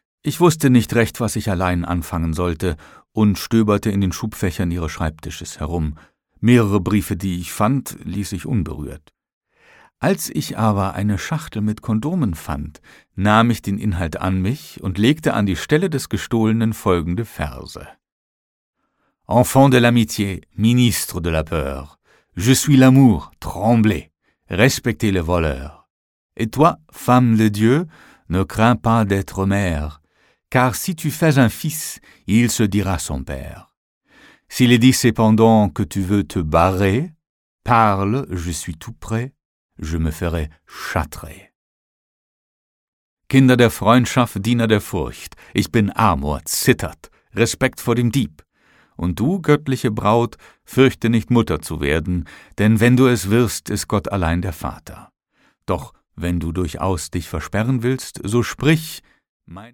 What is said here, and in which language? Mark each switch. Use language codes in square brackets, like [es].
[de] Ich wusste nicht recht, was ich allein anfangen sollte und stöberte in den Schubfächern ihres Schreibtisches herum. Mehrere Briefe, die ich fand, ließ ich unberührt. Als ich aber eine Schachtel mit Kondomen fand, nahm ich den Inhalt an mich und legte an die Stelle des Gestohlenen folgende Verse. [fr] Enfant de l'amitié, ministre de la peur. Je suis l'amour, tremblez, respectez le voleur. Et toi, femme de Dieu, ne crains pas d'être mère, car si tu fais un fils, il se dira son père. S'il est dit cependant que tu veux te barrer, parle, je suis tout prêt, je me ferai châtrer. [de] Kinder der Freundschaft, Diener der Furcht, ich bin Amor, zittert, Respekt vor dem Dieb. Und du, göttliche Braut, fürchte nicht, Mutter zu werden, denn wenn du es wirst, ist Gott allein der Vater. Doch wenn du durchaus dich versperren willst, so sprich, meine